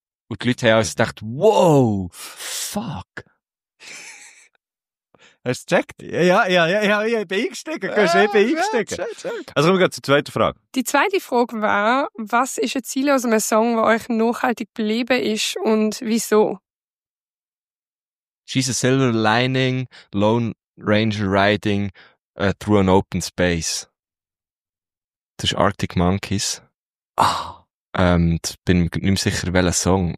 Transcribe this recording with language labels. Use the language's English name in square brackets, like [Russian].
[German] Und die Leute haben alles gedacht, wow, fuck. Hast du es gecheckt? Ja, ich bin eingestiegen. Ich bin eingestiegen. Also kommen wir zur zweiten Frage. Die zweite Frage war, was ist ein Ziel aus einem Song, der euch nachhaltig geblieben ist und wieso? [English] She's a silver lining, lone ranger riding through an open space. [German] Das ist Arctic Monkeys. Ah. Und bin mir nicht sicher, welcher Song.